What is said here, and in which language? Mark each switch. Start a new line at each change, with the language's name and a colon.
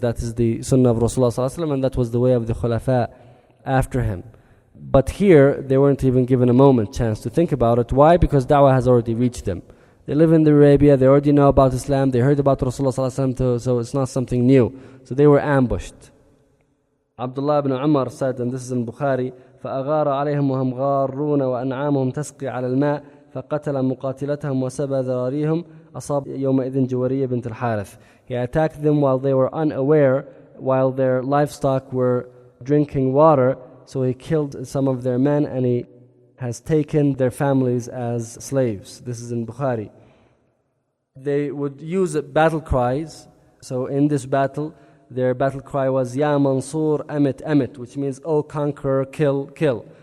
English: That is the sunnah of Rasulullah sallallahu alaihi wasallam, and that was the way of the khulafa after him. But here, they weren't even given a moment chance to think about it. Why? Because da'wah has already reached them. They live in the Arabia, they already know about Islam, they heard about Rasulullah sallallahu alaihi wasallam, so it's not something new. So they were ambushed. Abdullah ibn Umar said, and this is in Bukhari,
Arabic: فَأَغَارَ عَلَيْهِمْ وَهَمْ غَارُونَ وَأَنْعَامُهُمْ تَسْقِي عَلَى الْمَاءِ فَقَتَلَ مُقَاتِلَتَهُمْ وَسَبَى ذَرَارِيهُمْ أَصَابَ يَوْمَئِذٍ جُوَرِيَّ بِنْتِ الْحَارِثِ.
English: He attacked them while they were unaware, while their livestock were drinking water, so he killed some of their men and he has taken their families as slaves. This is in Bukhari. They would use battle cries. So in this battle, their battle cry was
Arabic: Ya Mansur Amit Amit,
English: which means O conqueror, kill, kill.